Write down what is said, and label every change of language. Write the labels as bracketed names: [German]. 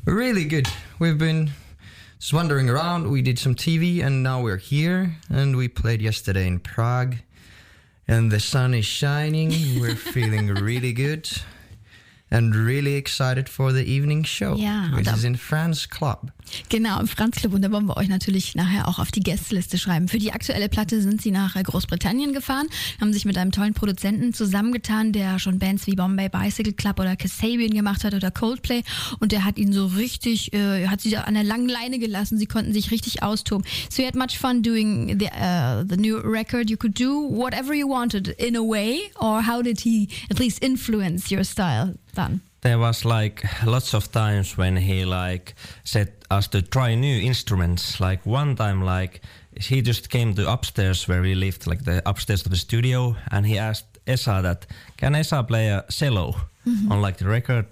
[English] Really good. We've been just wandering around. We did some TV and now we're here. And we played yesterday in Prague. And the sun is shining. We're feeling really good. And really excited for the evening show, which is in Franz Club. [German] Genau, im Franz Club. Und da wollen wir euch natürlich nachher auch auf die Gästeliste schreiben. Für die aktuelle Platte sind sie nach Großbritannien gefahren, haben sich mit einem tollen Produzenten zusammengetan, der schon Bands wie Bombay Bicycle Club oder Kasabian gemacht hat oder Coldplay. Und der hat ihn so richtig, hat sie da an der langen Leine gelassen. Sie konnten sich richtig austoben. [English] So you had much fun doing the new record. You could do whatever you wanted in a way. Or how did he at least influence your style? Done. There was like lots of times when he like said us to try new instruments. Like one time, like he just came to upstairs where we lived, like the upstairs of the studio, and he asked Essa that, can Essa play a cello on like the record?